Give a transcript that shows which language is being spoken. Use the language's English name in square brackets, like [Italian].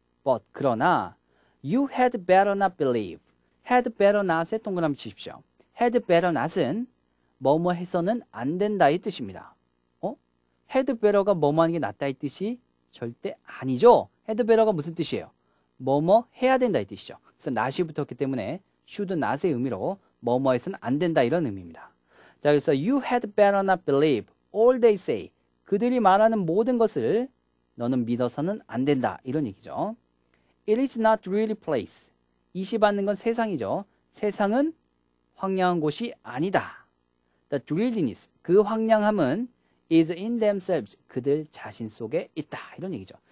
[English] But, [Korean] 그러나, [English] you had better not believe. had better not에 [Korean] 동그라미 치십시오. had better not은 뭐뭐 해서는 안 된다의 뜻입니다. 어? had better가 뭐뭐 하는 게 낫다의 뜻이 절대 아니죠. had better가 무슨 뜻이에요? 뭐뭐 해야 된다의 뜻이죠. 그래서 not이 붙었기 때문에 should not의 의미로 뭐뭐에서는 안 된다 이런 의미입니다. [English] 자, 그래서 you had better not believe all they say. [Korean] 그들이 말하는 모든 것을 너는 믿어서는 안 된다 이런 얘기죠. [English] It is not really place. [Korean] 이시 받는 건 세상이죠. 세상은 황량한 곳이 아니다. [English] The dreariness, [Korean] 그 황량함은 [English] is in themselves, [Korean] 그들 자신 속에 있다 이런 얘기죠.